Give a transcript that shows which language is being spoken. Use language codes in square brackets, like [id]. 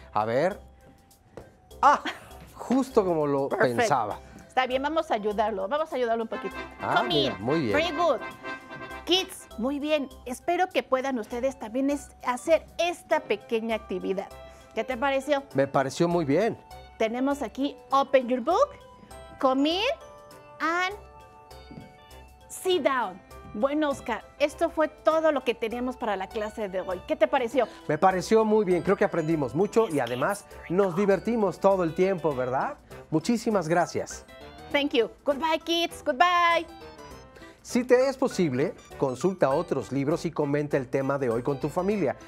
[es] A ver. ¡Ah! Justo como lo pensaba. Está bien, vamos a ayudarlo. Vamos a ayudarlo un poquito. [en] Come in. [es] Muy bien. [en] Very good. Kids, [es] muy bien. Espero que puedan ustedes también hacer esta pequeña actividad. ¿Qué te pareció? Me pareció muy bien. Tenemos aquí, [en] open your book, come in, and sit down. [es] Bueno, Oscar, esto fue todo lo que teníamos para la clase de hoy. ¿Qué te pareció? Me pareció muy bien. Creo que aprendimos mucho y además nos divertimos todo el tiempo, ¿verdad? Muchísimas gracias. [en] Thank you. Goodbye, kids. Goodbye. [es] Si te es posible, consulta otros libros y comenta el tema de hoy con tu familia.